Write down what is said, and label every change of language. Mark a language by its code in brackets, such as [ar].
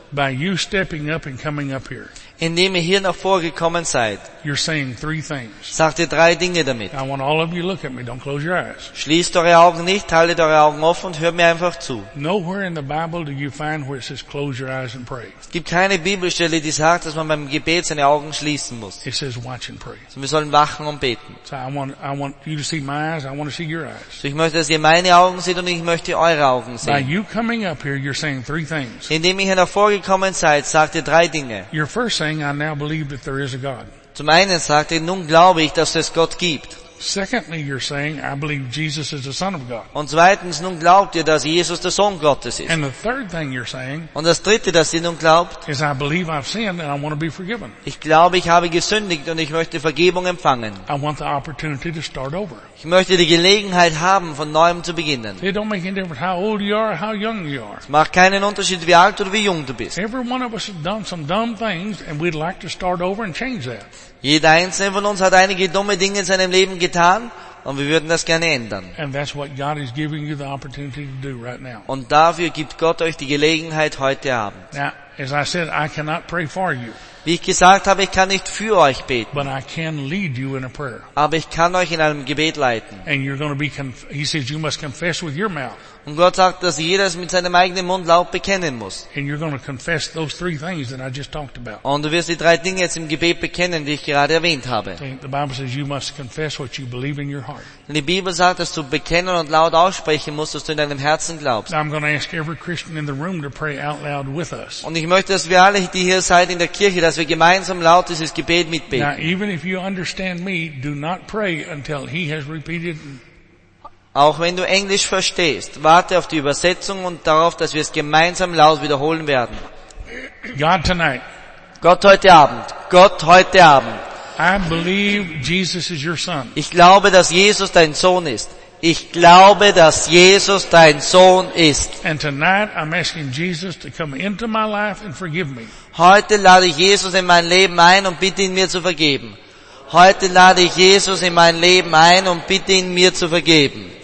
[en] By you stepping up and coming up here. [de] Indem ihr hier nach vorgekommen seid. [en] You're saying three things. [de] Sagt ihr drei Dinge damit. [en] I want all of you to look at me. Don't close your eyes. [de] Schließt eure Augen nicht, haltet eure Augen offen und hört mir einfach zu. [en] Nowhere in the Bible do you find where it says close your eyes and pray. [de] Es gibt keine Bibelstelle, die sagt, dass man beim Gebet seine Augen schließen muss. [en] It says watch and pray. [de] So wir sollen wachen und beten. [en] So I want you to see my eyes. I want to see your eyes. [de] So ich möchte, dass ihr meine Augen seht und ich möchte eure Augen sehen. [en] By you coming up here, you're saying three things. [de] Indem ihr hier nach vorgekommen seid, sagt ihr drei Dinge. [en] You're first saying, I now believe that there is a God. [de] Zum einen sagt ihr, nun glaube ich, dass es Gott gibt. [en] Secondly, you're saying, I believe Jesus is the Son of God. [de] Und zweitens, nun glaubt ihr, dass Jesus der Sohn Gottes ist. [en] And the third thing you're saying, [de] und das dritte, das ihr nun glaubt, [en] is I believe I've sinned and I want to be forgiven. [de] Ich glaube, ich habe gesündigt und ich möchte Vergebung empfangen. [en] I want the opportunity to start over. [de] Ich möchte die Gelegenheit haben, von neuem zu beginnen. [en] It don't make any difference how old you are or how young you are. [de] Es macht keinen Unterschied, wie alt oder wie jung du bist. [en] Every one of us has done some dumb things and we'd like to start over and change that. [de] Jeder einzelne von uns hat einige dumme Dinge in seinem Leben getan und wir würden das gerne ändern. [en] And that's what God is giving you the opportunity to do right now. [de] Und dafür gibt Gott euch die Gelegenheit heute Abend. [en] Now, as I said, I cannot pray for you. [de] Wie ich gesagt habe, ich kann nicht für euch beten. [en] But I can lead you in a prayer. [de] Aber ich kann euch in einem Gebet leiten. [en] And you're going to be he says you must confess with your mouth. [de] Und Gott sagt, dass jeder es mit seinem eigenen Mund laut bekennen muss. [en] And you're going to confess those three things that I just talked about. [de] Und du wirst die drei Dinge jetzt im Gebet bekennen, die ich gerade erwähnt habe. [en] The Bible says you must confess what you believe in your heart. [de] Die Bibel sagt, dass du bekennen und laut aussprechen musst, was du in deinem Herzen glaubst. [en] I'm going to ask every Christian in the room to pray out loud with us. [de] Und ich möchte, dass wir alle, die hier seid in der Kirche, dass wir gemeinsam laut dieses Gebet mitbeten. [en] Now, even if you understand me, do not pray until he has repeated. [de] Auch wenn du Englisch verstehst, warte auf die Übersetzung und darauf, dass wir es gemeinsam laut wiederholen werden. [en] God tonight. [de] Gott heute Abend. Gott heute Abend. [en] I believe Jesus is your son. [de] Ich glaube, dass Jesus dein Sohn ist. Ich glaube, dass Jesus dein Sohn ist. [en] And tonight I'm asking Jesus to come into my life and forgive me. [de] Heute lade ich Jesus in mein Leben ein und bitte ihn mir zu vergeben. Heute lade ich Jesus in mein Leben ein und bitte ihn mir zu vergeben.